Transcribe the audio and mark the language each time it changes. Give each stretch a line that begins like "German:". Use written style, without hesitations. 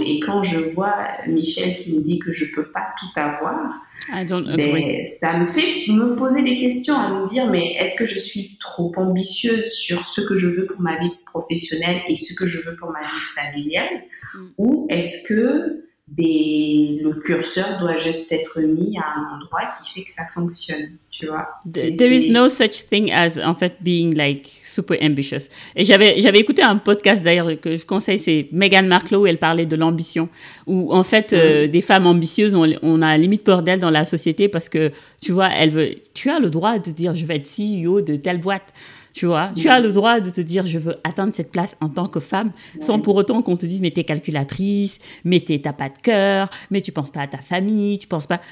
French: Et quand je vois Michel qui me dit que je ne peux pas tout avoir, ça me fait me poser des questions, à me dire, mais est-ce que je suis trop ambitieuse sur ce que je veux pour ma vie professionnelle et ce que je veux pour ma vie familiale, ou est-ce que le curseur doit juste être mis à un endroit qui fait que ça fonctionne, tu vois?
English: There is no such thing as,
French: en fait,
English: being like super ambitious.
French: Et j'avais écouté un podcast d'ailleurs que je conseille, c'est Meghan Markle, où elle parlait de l'ambition, où en fait des femmes ambitieuses, on a limite peur d'elles dans la société parce que tu vois, tu as le droit de dire je vais être CEO de telle boîte. Tu vois, tu as le droit de te dire je veux atteindre cette place en tant que femme, sans pour autant qu'on te dise mais t'es calculatrice, mais t'as pas de cœur, mais tu penses pas à ta famille, tu penses pas.